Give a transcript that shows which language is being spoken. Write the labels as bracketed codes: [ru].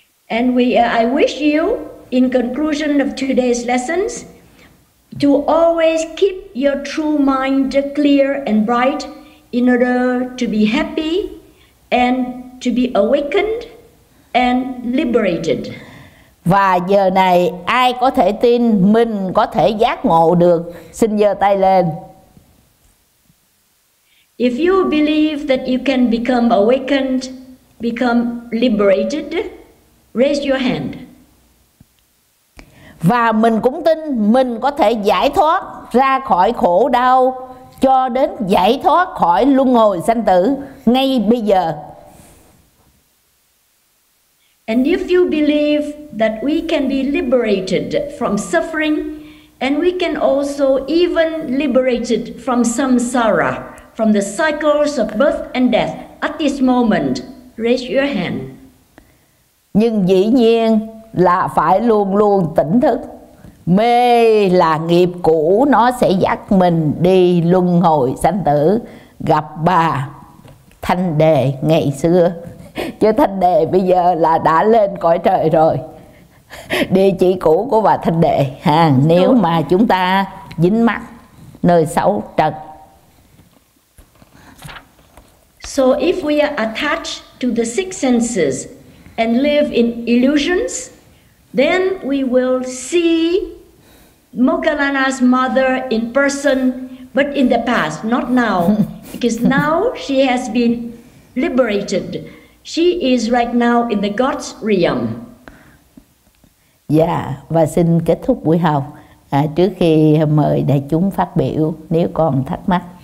[en] And we I wish you in conclusion of today's lessons to always keep your true mind clear and bright in order to be happy and to be awakened and liberated. [vi] Và giờ này ai có thể tin mình có thể giác ngộ được, xin giơ tay lên. [en] If you believe that you can become awakened, become liberated, raise your hand. [vi] Và mình cũng tin mình có thể giải thoát ra khỏi khổ đau, cho đến giải thoát khỏi luân hồi sanh tử ngay bây giờ. [en] And if you believe that we can be liberated from suffering, and we can also even liberated from samsara, from the cycles of birth and death at this moment, raise your hand. [vi] Nhưng dĩ nhiên là phải luôn luôn tỉnh thức. Mê là nghiệp cũ, nó sẽ dắt mình đi luân hồi sanh tử, gặp bà Thanh Đề ngày xưa. Chứ Thanh Đề bây giờ là đã lên cõi trời rồi. Địa chỉ cũ của bà Thanh Đề ha, nếu mà chúng ta dính mắc nơi xấu trần. [en] So if we are attached to the six senses and live in illusions, then we will see Moggallana's mother in person, but in the past, not now. Because now she has been liberated. She is right now in the God's realm. [vi] Yeah, và xin kết thúc buổi học trước khi mời đại chúng phát biểu nếu còn thắc mắc.